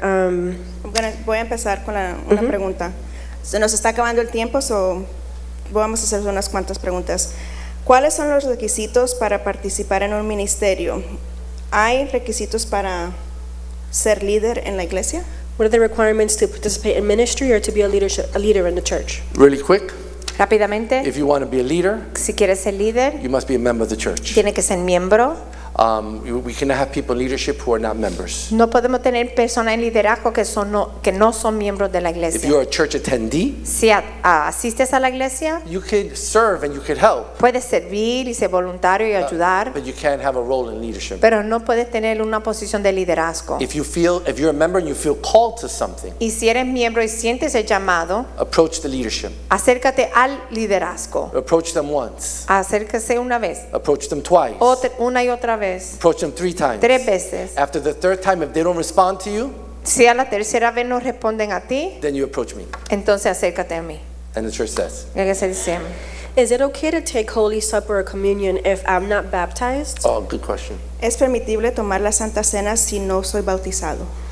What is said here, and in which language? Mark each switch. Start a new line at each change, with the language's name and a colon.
Spanish: Voy a empezar con una pregunta. Se nos está acabando el tiempo, so vamos a hacer unas cuantas preguntas. ¿Cuáles son los requisitos para participar en un ministerio? ¿Hay requisitos para ser líder en la iglesia?
English: What are the requirements to participate in ministry or to be a leader in the church? Really quick.
Spanish: Rápidamente.
English: If you want to be a leader,
Spanish: si quieres ser líder,
English: you must be a member of the church.
Spanish: Tiene que ser miembro.
English: We cannot have people in leadership who are not members.
Spanish: No podemos tener personas en liderazgo que no son miembros de la iglesia.
English: If you are a church attendee,
Spanish: si asistes a la iglesia,
English: you can serve and you can help.
Spanish: Puedes servir y ser voluntario y ayudar.
English: But you can't have a role in leadership.
Spanish: Pero no puedes tener una posición de liderazgo.
English: If you're a member and you feel called to something,
Spanish: y si eres miembro y sientes el llamado,
English: approach the leadership.
Spanish: Acércate al liderazgo.
English: Approach them once.
Spanish: Acércate una vez.
English: Approach them twice.
Spanish: Una y otra.
English: Approach them three times.
Spanish: Tres veces.
English: After the third time, if they don't respond to you,
Spanish: si a la tercera vez no responden a ti,
English: then you approach me.
Spanish: Entonces acércate a mí.
English: And the church says, is it okay to take Holy Supper or communion if I'm not baptized? Oh, good question.
Spanish: ¿Es permitible tomar la Santa Cena si no soy bautizado?